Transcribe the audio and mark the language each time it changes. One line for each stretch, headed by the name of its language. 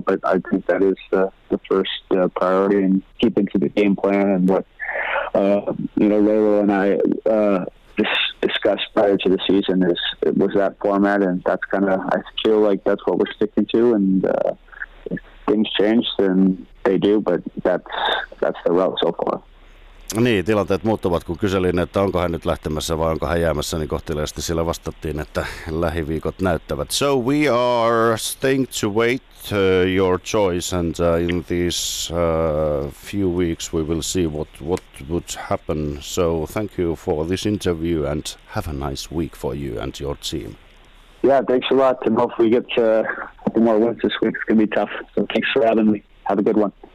English: But I think that is the first priority, and keeping to the game plan and what Lalo and I discussed prior to the season was that format, and that's kind of, I feel like that's what we're sticking to. And if things change, then they do, but that's the route so far.
Finnish: Niin, tilanteet muuttuvat, kun kyselin, että onko hän nyt lähtemässä vai onko hän jäämässä, niin kohteliaasti sillä vastattiin, että lähiviikot näyttävät.
English: So we are staying to wait your choice, and in these few weeks we will see what would happen. So thank you for this interview, and have a nice week for you and your team. Yeah, thanks a lot, and hopefully we get a couple more wins this week. It's going to be tough, so thanks for having me. Have a good one.